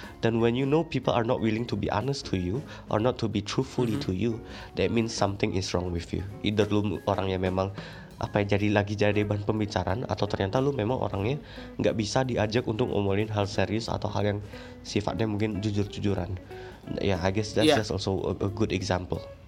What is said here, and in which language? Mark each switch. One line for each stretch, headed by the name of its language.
English: Then when you know people are not willing to be honest to you or not to be truthfully to you, that means something is wrong with you.
Indonesian: Either lu orangnya memang jadi bahan pembicaraan, atau ternyata lu memang orangnya enggak bisa diajak untuk ngomolin hal serius atau hal yang sifatnya mungkin jujur-jujuran.
English: Yeah, I guess that's just also a good example.